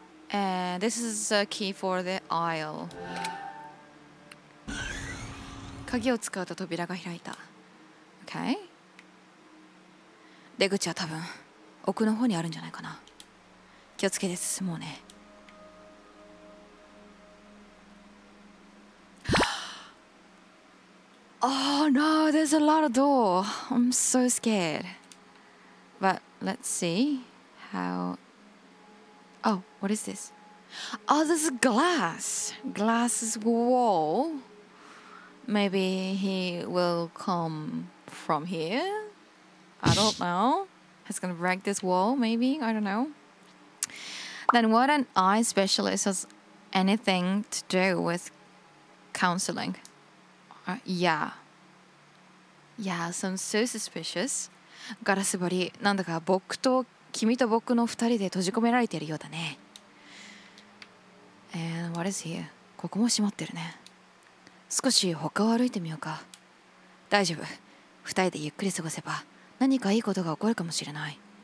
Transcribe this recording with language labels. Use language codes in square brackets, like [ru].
[en] And this is a key for the aisle. [ja] 鍵を使うと扉が開いた。 [en] Okay. [ja] 出口は多分奥の方にあるんじゃないかな。気をつけて進もうね。 [en] Oh no, there's a lot of door. I'm so scared. But let's see how. Oh, what is this? Oh, there's a glass. Glass is wall. Maybe he will come from here. I don't know. He's gonna break this wall, maybe. I don't know. Then what an eye specialist has anything to do with counseling? Yeah. Yeah, sounds so suspicious. [ja] ガラス張り、なんだか僕と君と僕の二人で閉じ込められているようだね。 [en] And what is here? [ja] ここも閉まってるね。少し他を歩いてみようか。大丈夫。二人でゆっくり過ごせば何かいいことが起こるかもしれない。